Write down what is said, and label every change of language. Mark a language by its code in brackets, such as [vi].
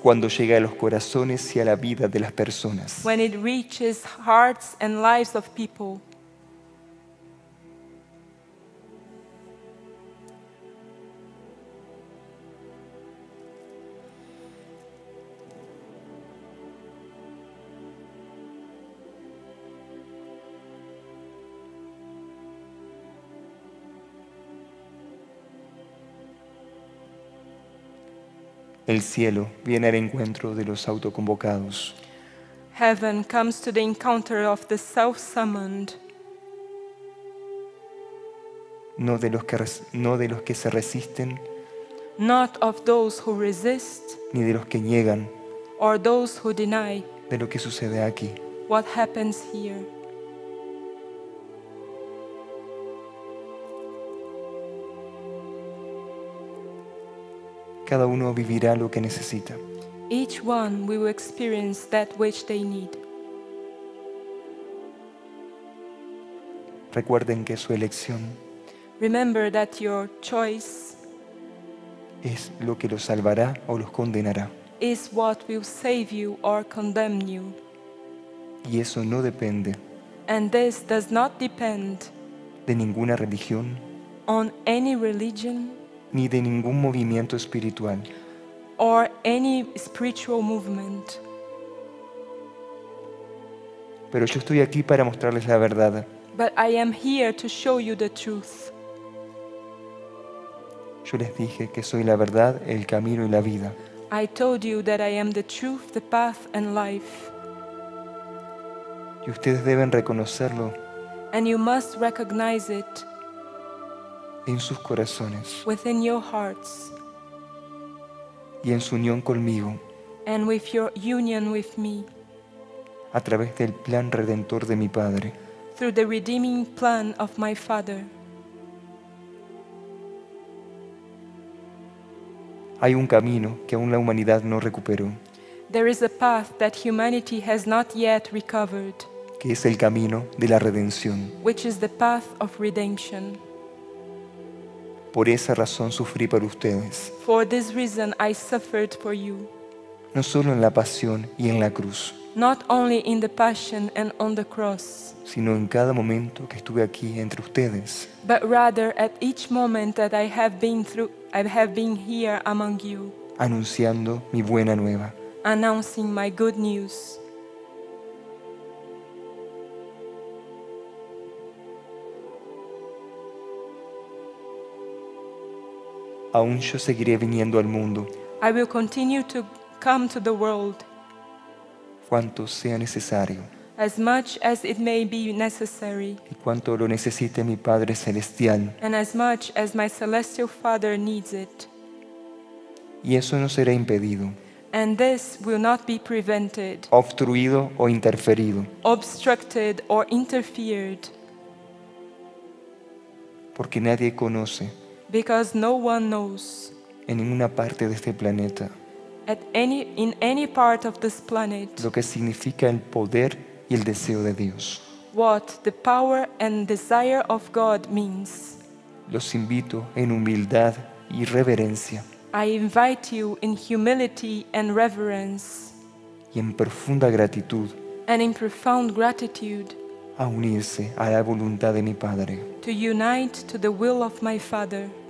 [es] Cuando llega a los corazones y a la vida de las personas. [en] When it reaches hearts and lives of people. [es] El cielo viene al encuentro de los autoconvocados. [en] Heaven comes to the encounter of the self-summoned. [es] No de los que se resisten. [en] Not of those who resist. [es] Ni de los que niegan. [en] Or those who deny. [es] De lo que sucede aquí. [en] What happens here. [es] Cada uno vivirá lo que necesita. [en] Each one will experience that which they need. [es] Recuerden que su elección. [en] Remember that your choice. [es] Es lo que los salvará o los condenará. [en] Is what will save you or condemn you. [es] Y eso no depende. [en] And this does not depend. [es] De ninguna religión. [en] On any religion. [es] Ni de ningún movimiento espiritual. [en] Or any spiritual movement. [es] Pero yo estoy aquí para mostrarles la verdad. [en] But I am here to show you the truth. [es] Yo les dije que soy la verdad, el camino y la vida. [en] I told you that I am the truth, the path and life. [es] Y ustedes deben reconocerlo. [en] And you must recognize it. [es] En sus corazones. [en] Within your hearts. [es] Y en su unión conmigo. [en] And with your union with me. [es] A través del plan redentor de mi Padre. [en] Through the redeeming plan of my Father. [es] Hay un camino que aún la humanidad no recuperó. [en] There is a path that humanity has not yet recovered. [es] Que es el camino de la redención. [en] Which is the path of redemption. [es] Por esa razón sufrí por ustedes. [en] For this reason I suffered for you. [es] No solo en la pasión y en la cruz. [en] Not only in the passion and on the cross. [es] Sino en cada momento que estuve aquí entre ustedes. [en] But rather at each moment that I have been here among you. [es] Anunciando mi buena nueva. [en] Announcing my good news. [es] Aún yo seguiré viniendo al mundo. [en] I will continue to come to the world. [es] Cuanto sea necesario. [en] As much as it may be necessary. [es] Y cuanto lo necesite mi Padre Celestial. [en] And as much as my celestial Father needs it. [es] Y eso no será impedido. [en] and this will not be prevented, [es] obstruido o interferido, [en] obstructed or interfered, [es] porque nadie conoce, [en] because no one knows, [es] en ninguna parte de este planeta, [en] at any, in any part of this planet, [es] lo que significa el poder y el deseo de Dios, [en] what the power and desire of God means. [es] Los invito en humildad y reverencia, [en] I invite you in humility and reverence, [es] y en profunda gratitud, [en] and in profound gratitude, [es] a unirse a la voluntad de mi Padre, [en] to unite to the will of my Father,